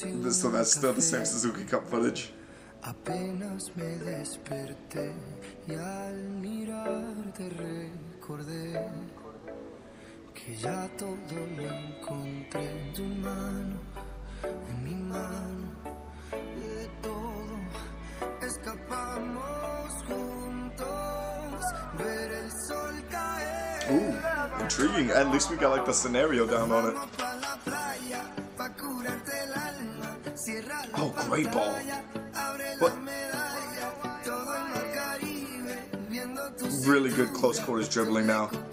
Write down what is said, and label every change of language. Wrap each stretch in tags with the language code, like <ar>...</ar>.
<en>So that's still the same Suzuki Cup footage.</en> <es>Apenas me desperté y al mirarte recordé que ya todo lo encontré en tu mano, en mi mano, de todo escapamos juntos, ver el sol caer.</es> <en>Ooh, intriguing. At least we got like the scenario down on it. Oh, great ball. What? Really good close quarters dribbling now.</en>